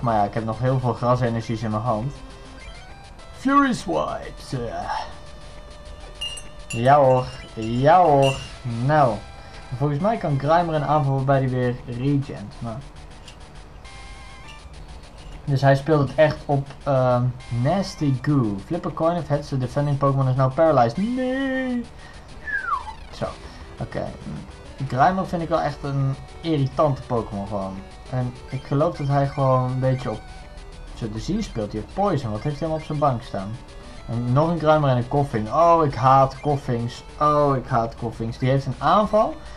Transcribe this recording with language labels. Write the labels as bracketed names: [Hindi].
[Dutch] Maar ja, ik heb nog heel veel grasenergies in mijn hand. Fury Swipe. Ja hoor. Nou, volgens mij kan Grimer een aanval waarbij hij weer regent. Maar... dus hij speelt het echt op Nasty Goo. [English] Flip a coin of heads, the defending Pokémon is now paralyzed. [Dutch] Nee! Zo, oké. Grimer vind ik wel echt een irritante Pokémon gewoon. En ik geloof dat hij gewoon een beetje op zijn disease speelt. Hij heeft poison, wat heeft hij helemaal op zijn bank staan? En nog een Grimer en een Koffing. Oh, ik haat Koffings. Die heeft een aanval.